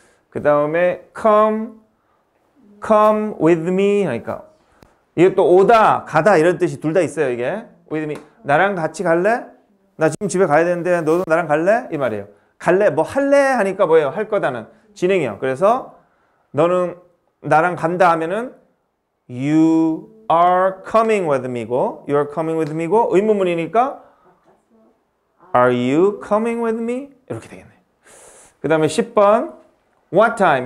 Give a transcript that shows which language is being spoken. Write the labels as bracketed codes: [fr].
[ko] 그 다음에 [en] come with me. [ko] 그러니까 이게 또 오다, 가다 이런 뜻이 둘 다 있어요. 이게 [en] with me. [ko] 나랑 같이 갈래? 나 지금 집에 가야 되는데 너도 나랑 갈래? 이 말이에요. 갈래? 뭐 할래? 하니까 뭐예요? 할 거다는 진행형. 그래서 너는 나랑 간다 하면은 [en] you are coming with me고 you are coming with me고 [ko] 의문문이니까 [en] are you coming with me? [ko] 이렇게 되겠네. 그 다음에 10번 [en] what time?